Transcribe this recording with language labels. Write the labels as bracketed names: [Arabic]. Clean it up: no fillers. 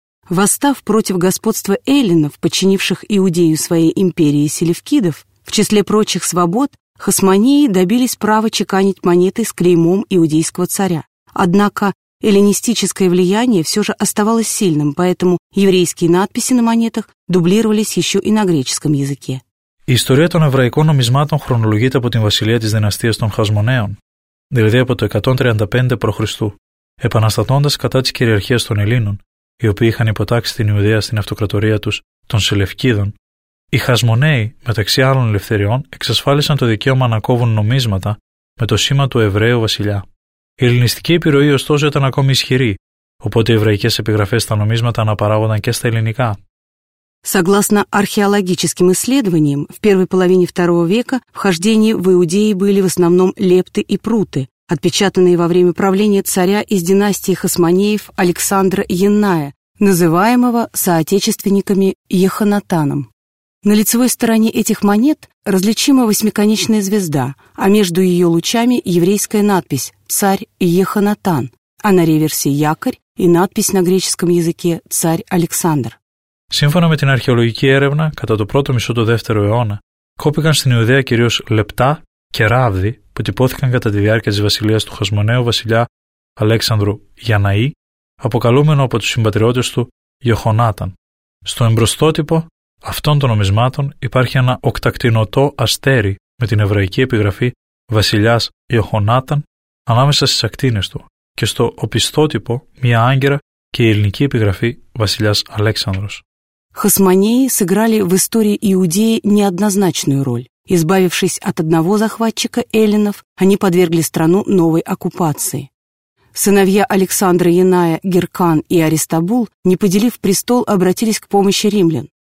[Russian] Восстав против господства эллинов, подчинивших Иудею своей империи селевкидов, в числе прочих свобод, хасмонеи добились права чеканить монеты с клеймом иудейского царя. Однако эллинистическое влияние все же оставалось сильным, поэтому еврейские надписи на монетах дублировались еще и на греческом языке. [Greek] История των евреϊκών νομισμάτων χρονολογείται από την βασιλεία της δυναστείας των Χασμονέων, δηλαδή από το 135 π.Χ., επαναστατώντας κατά της κυριαρχίας των Ελλήνων, οι οποίοι είχαν υποτάξει την Ιουδαία στην αυτοκρατορία τους, των Σελευκίδων, οι Χασμονέοι, μεταξύ άλλων ελευθεριών, εξασφάλισαν το δικαίωμα να κόβουν νομίσματα με το σήμα του Εβραίου βασιλιά. Η ελληνιστική επιρροή, ωστόσο, ήταν ακόμη ισχυρή, οπότε οι εβραϊκές επιγραφές στα νομίσματα αναπαράγονταν και στα ελληνικά. [Russian] Согласно археологическим исследованиям, в первой половине II века вхождение в Иудеи были в основном лепты и пруты, отпечатанные во время правления царя из династии Хасмонеев Александра Янная, называемого соотечественниками Яхонатаном. На лицевой стороне этих монет различима восьмиконечная звезда, а между ее лучами еврейская надпись «Царь Яхонатан», а на реверсе якорь и надпись на греческом языке «Царь Александр». [Greek] Σύμφωνα με την αρχαιολογική έρευνα, κατά το πρώτο μισό του 2ου αιώνα, κόπηκαν στην Ιουδαία κυρίως λεπτά και ράβδι που τυπώθηκαν κατά τη διάρκεια της βασιλείας του Χασμονέου βασιλιά Αλέξανδρου Γιαναή, αποκαλούμενο από τους συμπατριώτες του Ιοχονάταν. Στο εμπροστότυπο αυτών των νομισμάτων υπάρχει ένα οκτακτινωτό αστέρι με την εβραϊκή επιγραφή βασιλιάς Ιοχονάταν ανάμεσα στις ακτίνες του και στο οπισθότυπο μία άγκυρα και η ελληνική επιγραφή βασιλιάς Αλέξανδρος. [Russian] Χασμονέοι σыграли в истории Иудеи неоднозначную роль. Избавившись от одного захватчика эллинов, они подвергли страну новой оккупации. Сыновья Александра Яная, Гиркан и Аристабул, не поделив престол, обратились к помощи римлян.